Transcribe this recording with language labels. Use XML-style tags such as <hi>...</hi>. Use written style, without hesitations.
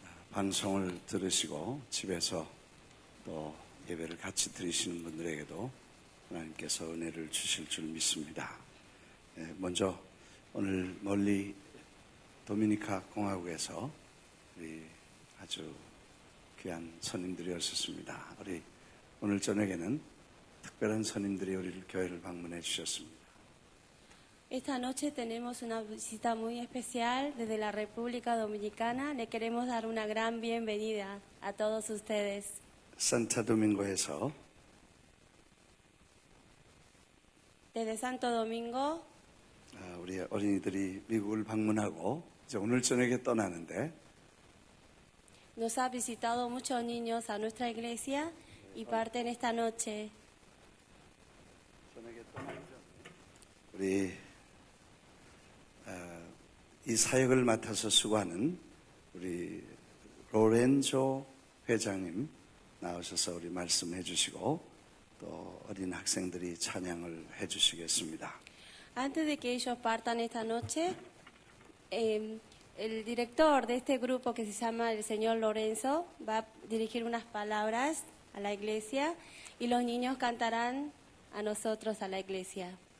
<ko>방송을 들으시고 집에서 또 예배를 같이 드리시는 분들에게도 하나님께서 은혜를 주실 줄 믿습니다. 먼저 오늘 멀리 도미니카 공화국에서 우리 아주 귀한 선임들이 오셨습니다. 우리 오늘 저녁에는 특별한 선임들이 우리 교회를 방문해 주셨습니다.</ko> <es>Esta noche tenemos una visita muy especial desde la República Dominicana. Le queremos dar una gran bienvenida a todos ustedes.</es> <ko>Santo Domingo에서</ko> <es>Desde Santo Domingo</es> <ko>우리 어린이들이 미국을 방문하고 이제 오늘 저녁에 떠나는데</ko> <es>Nos ha visitado muchos niños a nuestra iglesia y parten esta noche.</es> <ko>우리 이 사역을 맡아서 수고하는 우리 로렌조 회장님 나오셔서 우리 말씀해 주시고 또 어린 학생들이 찬양을 해 주시겠습니다.</ko> <es>Antes de que ellos partan esta noche, el director de este grupo que se llama el señor Lorenzo va a dirigir unas palabras a la iglesia y los niños cantarán a nosotros a la iglesia.</es>